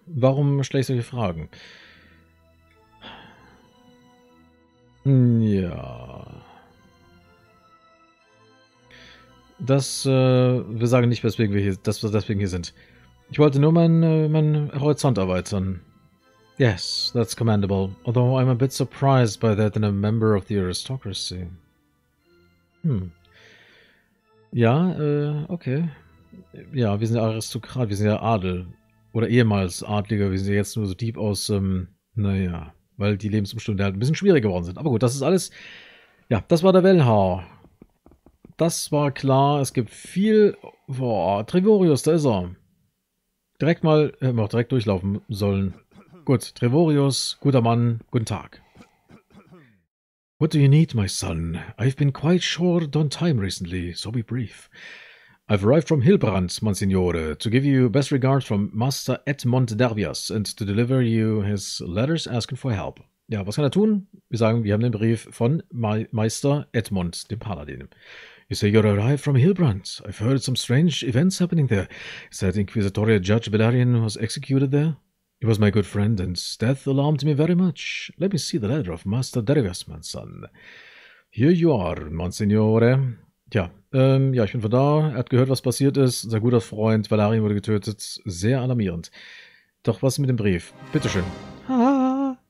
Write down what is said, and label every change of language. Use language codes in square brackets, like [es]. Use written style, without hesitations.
[de] Warum stelle ich solche Fragen? Ja. Wir sagen nicht, weswegen wir hier, dass wir deswegen hier sind. Ich wollte nur meinen Horizont erweitern. [en] Yes, that's commendable. Although I'm a bit surprised by that in a member of the aristocracy. Okay. [de] Ja, wir sind ja Aristokrat, wir sind ja Adel. Oder ehemals Adliger, wir sind ja jetzt nur so Dieb aus, weil die Lebensumstände halt ein bisschen schwierig geworden sind. Aber gut, das ist alles. Ja, das war der Wellenhauer. Das war klar, es gibt viel. Boah, Trivorius, da ist er. Direkt mal, hätten wir auch direkt durchlaufen sollen. Gut, Trivorius, guter Mann, guten Tag. [en] What do you need, my son? I've been quite short on time recently, so be brief. I've arrived from Hilbrand, Monsignore, to give you best regards from Master Edmond Dervias and to deliver you his letters asking for help. [de] Ja, was kann er tun? Wir sagen, wir haben den Brief von Meister Edmund, dem Paladin. [en] You say you're arrived from Hillbrand. I've heard some strange events happening there. Is that Inquisitorial Judge Bellarion was executed there? He was my good friend, and death alarmed me very much. Let me see the letter of Master Derivas, mein Son. Here you are, Monsignore. [de] Tja, ja, ich bin von da. Er hat gehört, was passiert ist. Unser guter Freund Valerian wurde getötet. Sehr alarmierend. Doch was mit dem Brief? Bitteschön. Ha!